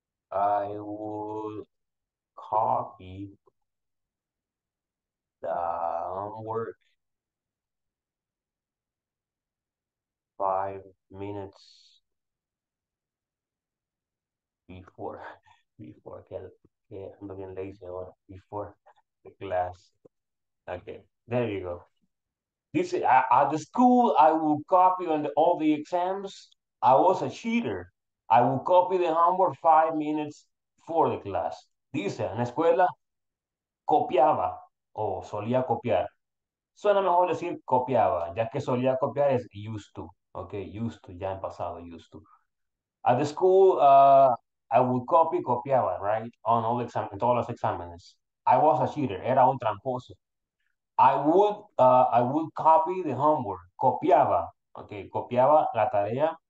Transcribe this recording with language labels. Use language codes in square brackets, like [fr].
[en] I would copy the homework 5 minutes before [es] que ando bien lazy ahora, [en] before the class. Okay, there you go. This is, at the school, I would copy on all the exams. I was a cheater. I will copy the homework 5 minutes for the class. [es] Dice, en la escuela, copiaba o solía copiar. Suena mejor decir copiaba, ya que solía copiar es [en] used to. Okay, used to, [es] ya en pasado, [en] used to. At the school, I will copy, [es] copiaba, [en] right? On all exam, [es] en todos los exámenes. [en] I was a cheater, [es] era un tramposo. [en] I would copy the homework, [es] copiaba. [en] Okay, [es] copiaba la tarea.